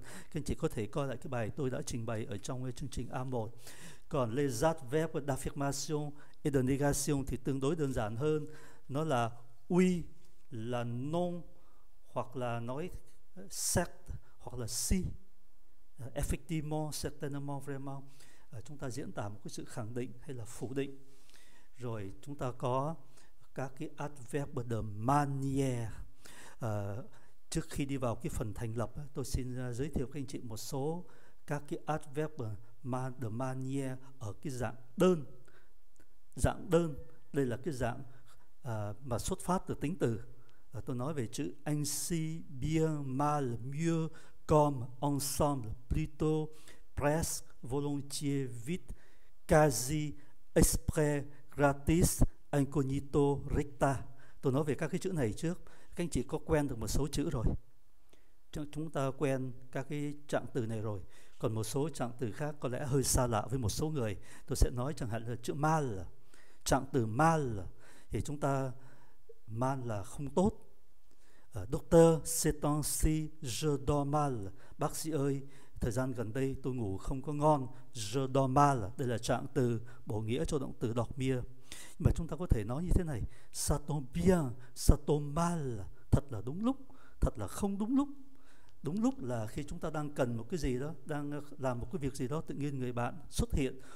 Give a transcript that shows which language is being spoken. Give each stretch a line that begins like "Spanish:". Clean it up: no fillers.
Vietnamese: Các anh chị có thể coi lại cái bài tôi đã trình bày ở trong chương trình A1. Còn les adverbes d'affirmation et de négation thì tương đối đơn giản hơn. Nó là oui, là non, hoặc là nói certes, hoặc là si.
French: Effectivement, certainement, vraiment.
Vietnamese: Chúng ta diễn tả một cái sự khẳng định hay là phủ định. Rồi chúng ta có các cái adverb de manière. Trước khi đi vào cái phần thành lập, tôi xin giới thiệu các anh chị một số các cái adverb de manière ở cái dạng đơn. Dạng đơn, đây là cái dạng mà xuất phát từ tính từ. Tôi nói về chữ ainsi, bien, mal, mieux, comme, ensemble, plutôt, presque, volontiers, vite, quasi, exprès, gratis, incognito, recta. Tôi nói về các cái chữ này trước. Các anh chị có quen được một số chữ rồi. Chúng ta quen các cái trạng từ này rồi. Còn một số trạng từ khác có lẽ hơi xa lạ với một số người. Tôi sẽ nói chẳng hạn là chữ mal. Trạng từ mal thì chúng ta mal là không tốt.
French: Docteur, ces temps-ci, je dors mal.
Vietnamese: Bác sĩ ơi, thời gian gần đây tôi ngủ không có ngon.
French: Je dors mal,
Vietnamese: đây là trạng từ bổ nghĩa cho động từ dormir. Nhưng mà chúng ta có thể nói như thế này:
French: ça tombe bien, ça tombe mal.
Vietnamese: Thật là đúng lúc, thật là không đúng lúc. Đúng lúc là khi chúng ta đang cần một cái gì đó, đang làm một cái việc gì đó, tự nhiên người bạn xuất hiện.